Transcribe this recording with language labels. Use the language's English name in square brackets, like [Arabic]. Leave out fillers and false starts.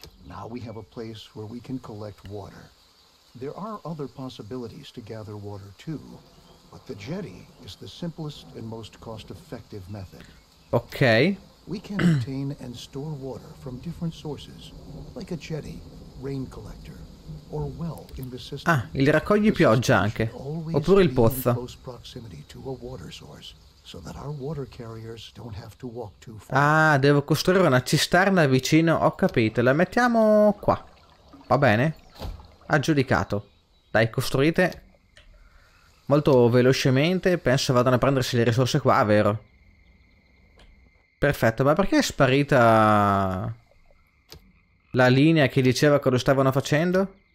[English] Now we have a place where we can collect water. There are other possibilities to gather water too, but the jetty is the simplest and most cost-effective method. Ok. We can obtain and store water from different sources, like a jetty, rain collector, or well in the system. [Italian] Ah, il raccogli pioggia anche, oppure il pozzo. [English] Close proximity to a water source, so that our water carriers don't have to walk too far. [Italian] Ah, devo costruire una cisterna vicino, ho capito. La mettiamo qua. Va bene. Aggiudicato. Dai, costruite molto velocemente. Penso vadano a prendersi le risorse qua, vero? Perfetto, ma perché è sparita la linea che diceva cosa stavano facendo?